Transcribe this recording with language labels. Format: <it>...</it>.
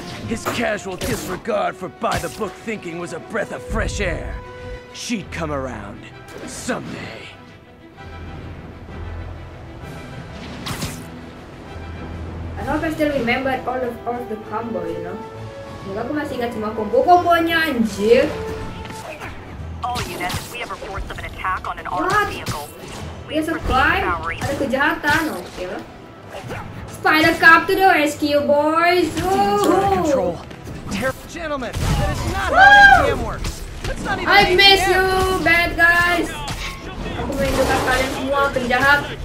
<en>His casual disregard for by the book thinking was a breath of fresh air. She'd come around someday. I hope I still remember all the combo, you know.</en> <id>Semoga aku masih ingat semua combo-combonya, anjir.</id> <en>All units, we have reports of an attack on an armored vehicle. We have a crime?</en> <id>Ada kejahatan?</id> <en>Okay lah. Spider Cop to the rescue, boys! Woohoo! Gentlemen, that is not how an ATM works! Let's not even I miss you, bad guys!</en> <id>Aku merindukan kalian semua, penjahat!</id>